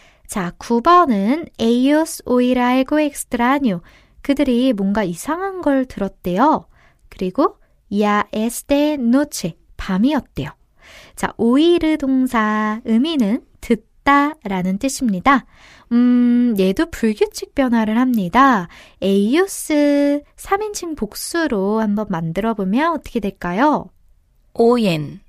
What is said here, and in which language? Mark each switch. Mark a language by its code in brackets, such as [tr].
[ko] 자, 9번은 [es] Ellos oír algo extraño. [ko] 그들이 뭔가 이상한 걸 들었대요. 그리고 [es] Ya es de noche. [ko] 밤이었대요. 자, oír 동사 의미는 듣다 라는 뜻입니다. 얘도 불규칙 변화를 합니다. Ellos 3인칭 복수로 한번 만들어보면 어떻게 될까요? [es] Oyen.